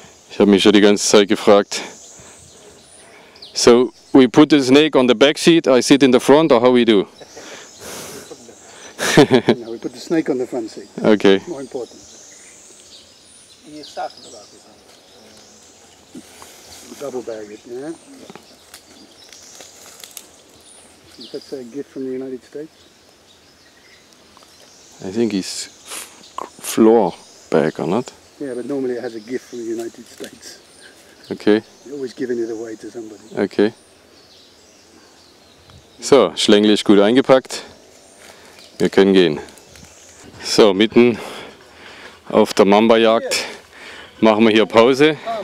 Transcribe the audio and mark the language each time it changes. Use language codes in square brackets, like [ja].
[de] Ich habe mich schon die ganze Zeit gefragt. [en] So, we put the snake on the back seat. I sit in the front, or how we do? No, we put the snake on the front seat. Okay. That's more important. You started about this. Double bag it, yeah? Is that a gift from the United States? I think it's floor bag, or not? Yeah, but normally it has a gift from the United States. Okay. You're always giving it away to somebody. Okay. [de] So, Schlängel ist gut eingepackt. Wir können gehen. So, mitten auf der Mamba-Jagd machen wir hier Pause.